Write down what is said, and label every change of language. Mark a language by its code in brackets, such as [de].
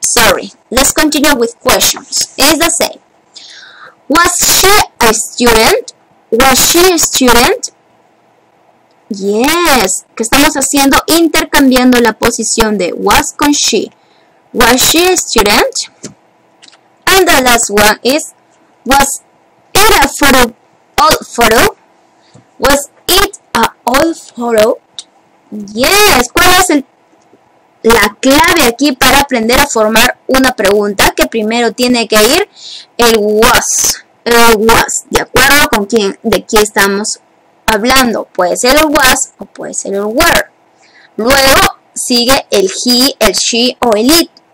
[en] sorry. Let's continue with questions. It's the same. Was she a student? Was she a student? Yes. [es] Que estamos haciendo intercambiando la posición de was con she. [en] Was she a student? And the last one is, was it a photo, old photo? Was it a old photo? Yes. [es] ¿Cuál es la clave aquí para aprender a formar una pregunta? Que primero tiene que ir el was. El was, de acuerdo con quién, de quién estamos hablando. Puede ser el was o puede ser el were. Luego sigue el he, el she o el it.